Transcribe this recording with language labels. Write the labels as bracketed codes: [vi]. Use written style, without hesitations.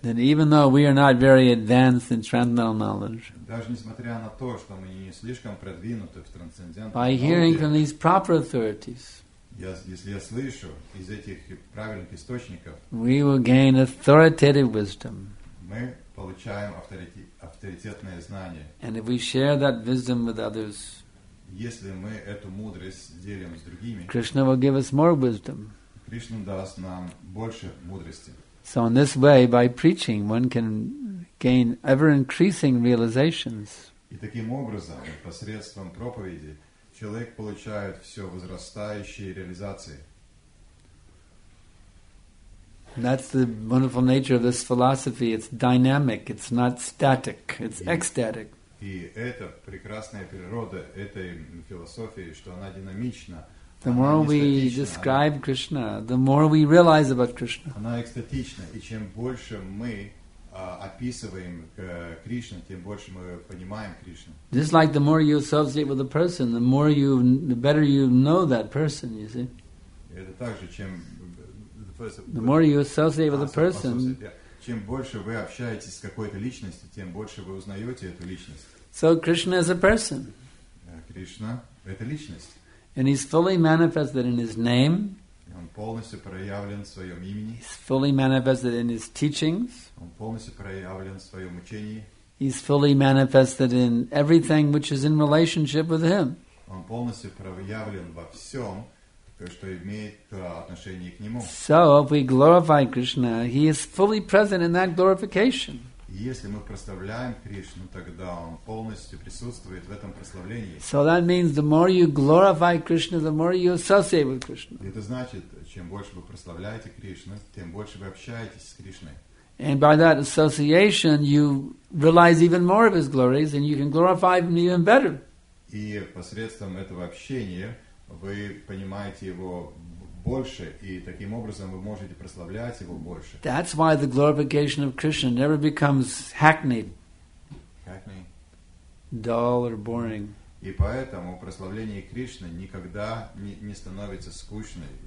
[en] then even though we are not very advanced in transcendental knowledge, [ru] даже несмотря на то, что мы не слишком продвинуты в трансцендентном, [en] by hearing from these proper authorities, [ru] если я слышу из этих правильных источников, [en] we will gain authoritative wisdom. [ru] Мы получаем авторитетное знание. [en] And if we share that wisdom with others, [ru] если мы эту мудрость делим с другими, [en] Krishna will give us more wisdom. [ru] Кришна даст нам больше мудрости. [en] So in this way, by preaching, one can gain ever-increasing realizations. [ru] И таким образом, посредством проповеди, человек получает все возрастающие реализации. [en] That's the wonderful nature of this philosophy. It's dynamic. It's not static. It's ecstatic. [ru] И это прекрасная природа этой философии, что она динамична. [en] The more we describe Krishna, the more we realize about Krishna. [ru] Она экстатична, и чем больше мы описываем Кришну, тем больше мы понимаем Кришну. [en] Just like the more you associate with a person, the better you know that person, you see. [ru] Это также, чем [en] the more you associate with a person, [ru] чем больше вы общаетесь с какой-то личностью, тем больше вы узнаете эту личность. [en] So Krishna is a person. [ru] Кришна – это личность. [en] And he's fully manifested in his name. [ru] Он полностью проявлен в своем имени. [en] He's fully manifested in his teachings. [ru] Он полностью проявлен в своем учении. [en] He's fully manifested in everything which is in relationship with him. [ru] Он полностью проявлен во всем, что имеет отношение к нему. [en] So if we glorify Krishna, he is fully present in that glorification. [ru] Если мы прославляем Кришну, тогда он полностью присутствует в этом прославлении. [en] So that means the more you glorify Krishna, the more you associate with Krishna. [ru] Это значит, чем больше вы прославляете Кришну, тем больше вы общаетесь с Кришной. [en] And by that association, you realize even more of his glories, and you can glorify him even better. [ru] И посредством этого общения вы понимаете его больше, и таким образом вы можете прославлять его больше. [en] That's why the glorification of Krishna never becomes hackneyed. Hackneyed. Dull or boring. [ru] И поэтому прославление Кришны никогда не становится скучным.